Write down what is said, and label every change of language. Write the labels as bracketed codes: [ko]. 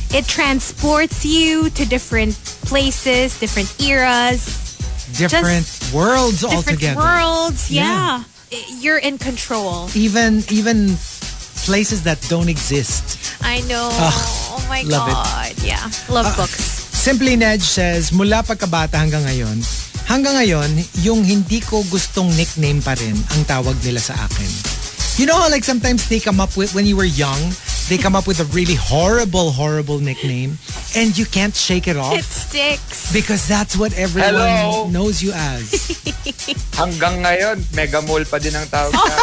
[en] It transports you to different places, different eras. Different worlds altogether. Different worlds, yeah. You're in control. Even places that don't exist. I know. Ugh, oh my love God. It. Yeah. Love books. [tl] Simply Nedge says, mula pagkabata hanggang ngayon, yung hindi ko gustong nickname pa rin ang tawag nila sa akin. [en] You know how like sometimes they come up with, when you were young, they come up with a really horrible, horrible nickname and you can't shake it off? It sticks. Because that's what everyone Hello. Knows you as. [tl] Hanggang ngayon, Mega Mall pa din ang tawag